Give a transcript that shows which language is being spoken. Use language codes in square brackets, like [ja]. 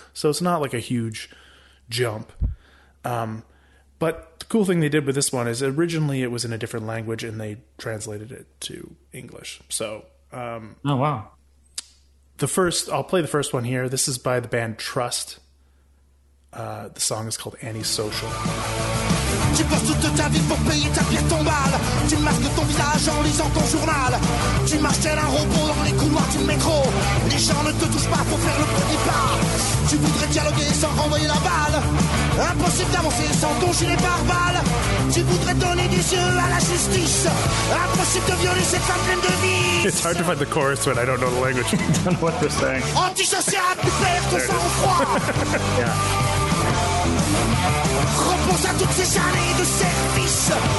[en] So it's not like a huge jump. But the cool thing they did with this one is originally it was in a different language and they translated it to English. So, Oh, wow. I'll play the first one here. This is by the band Trust. The song is called Antisocial. [fr] Tu passes toute ta vie pour payer ta pièce tombale. Tu masques ton visage en lisant ton journal. Tu marches tel un robot dans les couloirs du métro. Les gens ne te touchent pas pour faire le petit pas. Tu voudrais dialoguer sans renvoyer la balle. Impossible d'avancer sans ton gilet pare-balles. Tu voudrais donner des yeux à la justice. Impossible de violer cette femme pleine de vice. [en] It's hard to find the chorus when I don't know the language. Don't know what they're saying. [fr] Antisocial, tu perds ton sang froid. Yeah. Repose à toutes ces années de service.